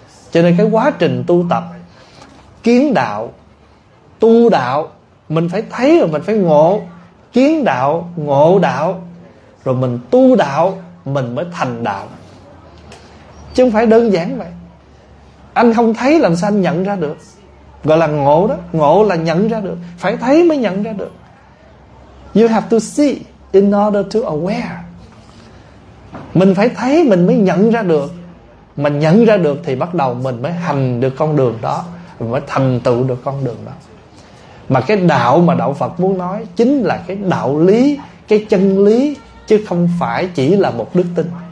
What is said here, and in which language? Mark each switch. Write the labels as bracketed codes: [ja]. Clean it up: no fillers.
[vi] Cho nên cái quá trình tu tập kiến đạo, tu đạo, mình phải thấy rồi mình phải ngộ. Kiến đạo, ngộ đạo, rồi mình tu đạo, mình mới thành đạo. Chứ không phải đơn giản vậy. Anh không thấy làm sao anh nhận ra được, gọi là ngộ đó. Ngộ là nhận ra được, phải thấy mới nhận ra được. [en] You have to see in order to aware. [vi] Mình phải thấy mình mới nhận ra được. Mà nhận ra được thì bắt đầu mình mới hành được con đường đó, mình mới thành tựu được con đường đó. Mà cái đạo mà đạo Phật muốn nói chính là cái đạo lý, cái chân lý, chứ không phải chỉ là một đức tin.